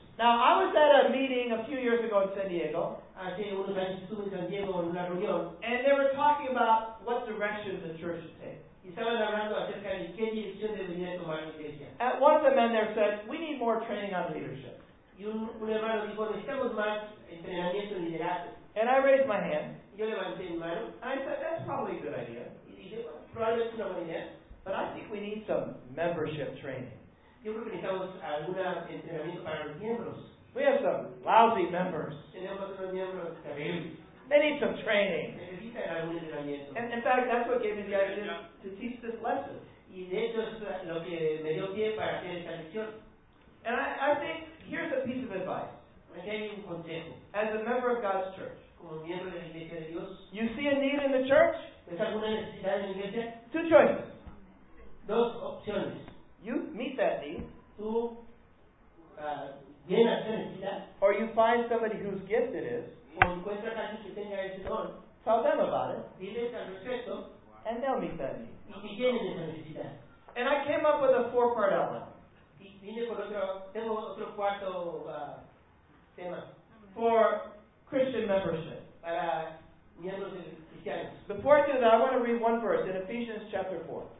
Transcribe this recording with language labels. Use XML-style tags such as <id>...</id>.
<en>Now, I was at a meeting a few years ago in San Diego.</en> <es>Hace unos años estuve en San Diego en una reunión.</es> <en>And they were talking about what direction the church should take.</en> <es>Y estaban hablando acerca de qué dirección debería tomar la iglesia.</es> <en>At once, a man there said, "We need more training on leadership."</en> <es>Y un hermano dijo, necesitamos más entrenamiento en liderazgo.</es> <en>And I raised my hand.</en> <es>Yo levanté mi mano.</es> <en>I said, "That's probably a good idea."</en> <es>Y dije, probablemente una buena idea.</es> <en>But I think we need some membership training.</en> <es>Yo creo que necesitamos algún entrenamiento para los miembros.</es> <en>We have some lousy members.</en> <es>Tenemos unos miembros también.</es> <en>They need some training.</en> <es>Necesitan algún entrenamiento.</es> <en>And in fact, that's what gave me the idea to teach this lesson.</en> <es>Y de hecho es lo que me dio pie para hacer esta lección.</es> <en>And I think here's a piece of advice.</en> <es>Aquí hay un consejo.</es> <en>As a member of God's church,</en> <es>como miembro de la iglesia de Dios,</es> <en>you see a need in the church?</en> <es>¿Ves alguna necesidad en la iglesia?</es> <en>Two choices.</en> <es>Dos opciones.</es> <en>You meet that need.</en> <es>Tú llenas esa necesidad.</es> <en>Or you find somebody whose gift it is.</en> <es>O encuentras a alguien que tenga ese don.</es> <en>Tell them about it.</en> <es>Diles al respecto.</es> <en>And they'll meet that need.</en> <es>Y llenen esa necesidad.</es> <en>And I came up with a four-part outline.</en> <es>Vine con otro, tengo otro cuarto tema.</es> <en>For Christian membership.</en> <es>Para miembros cristianos.</es> <en>Before I do that, I want to read one verse in Ephesians chapter 4.</en>